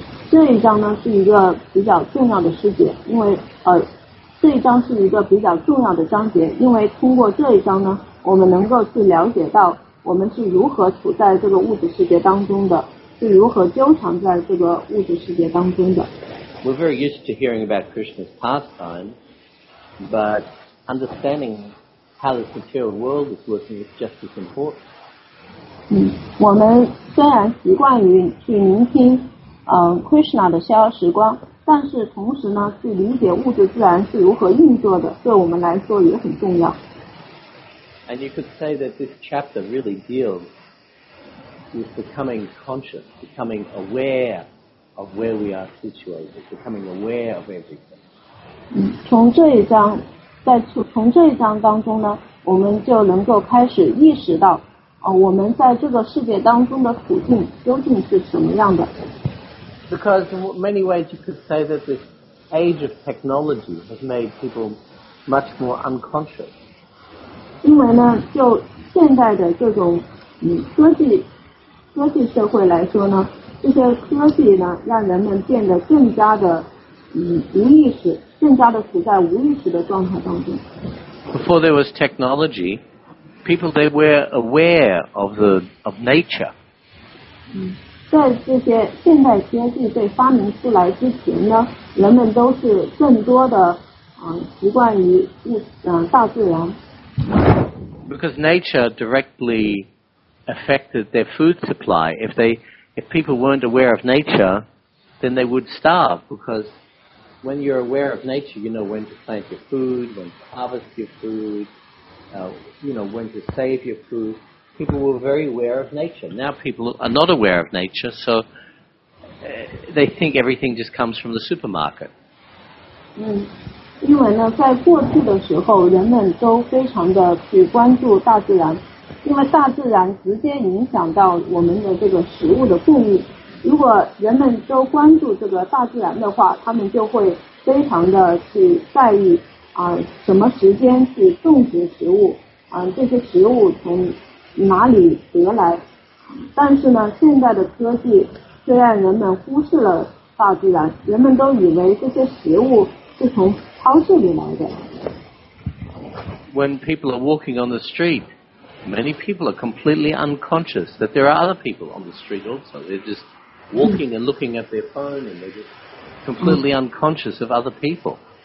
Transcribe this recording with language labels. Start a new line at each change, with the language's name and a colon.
Chinese: 这一章呢是一个比较重要的事件，因为这一章是一个比较重要的章节，因为通过这一章呢，我们能够去了解到我们是如何处在这个物质世界当中的，是如何纠缠在这个物质世界当中的。
English: We're very used to hearing about Krishna's pastime, but understanding how the material world is working is just as important.
Chinese: 我们虽然习惯于去聆听Krishna 的逍遥时光，但是同时呢，去理解物质自然是如何运作的，对我们来说也很重要。
English: And you could say that this chapter really deals with becoming conscious, becoming aware of where we are situated, becoming aware of everything.
Chinese: 从这一章当中呢，我们就能够开始意识到，我们在这个世界当中的处境究竟是什么样的。
English: Because in many ways you could say that this age of technology has made people much more unconscious.
Chinese: 因为呢，就现在的这种科技社会来说呢，这些科技呢，让人们变得更加的无意识，更加的处在无意识的状态当中。
English: Before there was technology, people they were aware of nature.
Chinese: 在这些现代科技被发明出来之前呢，人们都是更多的习惯于大自然。
English: Because nature directly affected their food supply. If people weren't aware of nature, then they would starve. Because when you're aware of nature, you know when to plant your food, when to harvest your food, when to save your food. People were very aware of nature. Now people are not aware of nature, so they think everything just comes from the supermarket.
Chinese: 因为呢，在过去的时候，人们都非常的去关注大自然，因为大自然直接影响到我们的这个食物的供应。如果人们都关注这个大自然的话，他们就会非常的去在意什么时间去种植食物，这些食物从哪里得来？但是呢，现在的科技虽然人们忽视了大自然，人们都以为这些食物是从超市里来的。
English: When people are walking on the street, many people are completely unconscious that there are other people on the street also. They're just walking and looking at their phone, and they're just completely unconscious of other people.